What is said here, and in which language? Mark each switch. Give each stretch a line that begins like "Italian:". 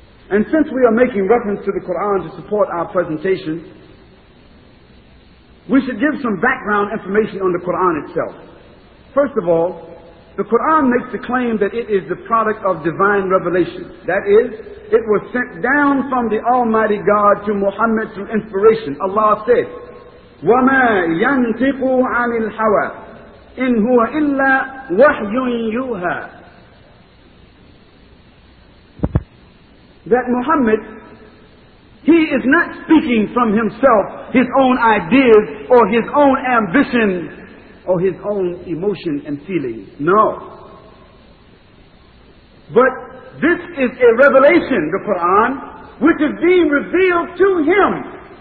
English: And since we are making reference to the Quran to support our presentation, we should give some background information on the Quran itself. First of all, The Quran makes the claim that it is the product of divine revelation. That is, it was sent down from the Almighty God to Muhammad through inspiration. Allah said,
Arabic: وَمَا يَنْتِقُ عَنِ الْحَوَىٰ إِنْ هُوَ إِلَّا وَحْيٌ يُوهَىٰ.
English: That Muhammad, he is not speaking from himself, his own ideas, or his own ambition, or his own emotion and feeling. No. But this is a revelation, the Quran, which is being revealed to him.